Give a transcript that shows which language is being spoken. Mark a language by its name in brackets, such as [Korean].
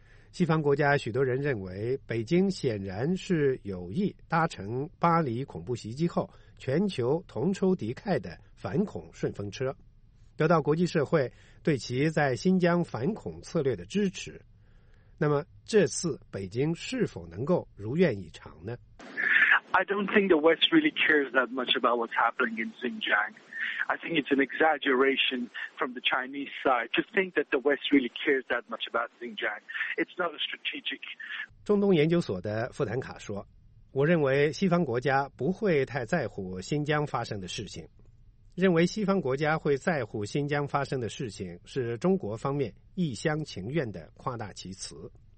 [Chinese] 西方国家许多人认为，北京显然是有意搭乘巴黎恐怖袭击后全球同仇敌忾的反恐顺风车，得到国际社会对其在新疆反恐策略的支持。那么这次北京是否能够如愿以偿呢？ [English] I don't think the West really cares that much about what's happening in Xinjiang. I think it's an exaggeration from the Chinese side to think that the West really cares that much about Xinjiang. It's not a strategic. [Chinese] 中东研究所的富坦卡说，我认为西方国家不会太在乎新疆发生的事情。认为西方国家会在乎新疆发生的事情，是中国方面一厢情愿的夸大其词。